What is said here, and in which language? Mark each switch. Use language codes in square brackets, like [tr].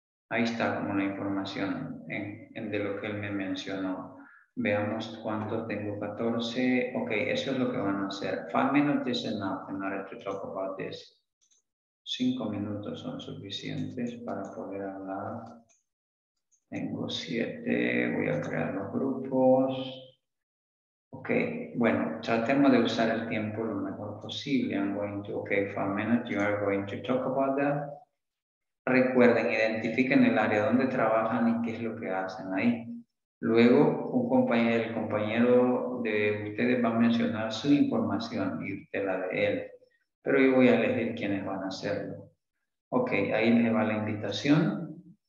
[es] Ahí está como la información en de lo que él me mencionó. Veamos cuántos tengo, 14. Okay, eso es lo que van a hacer. [en] 5 minutes is enough in order to talk about this. [es] 5 minutos son suficientes para poder hablar. Tengo 7, voy a crear los grupos. Okay, bueno, tratemos de usar el tiempo lo mejor posible. [en] I'm going to, okay, 5 minutes, you are going to talk about that. [es] Recuerden, identifiquen el área donde trabajan y qué es lo que hacen ahí. Luego, el compañero de ustedes va a mencionar su información y usted la de él. Pero yo voy a elegir quiénes van a hacerlo. Okay, ahí les va la invitación.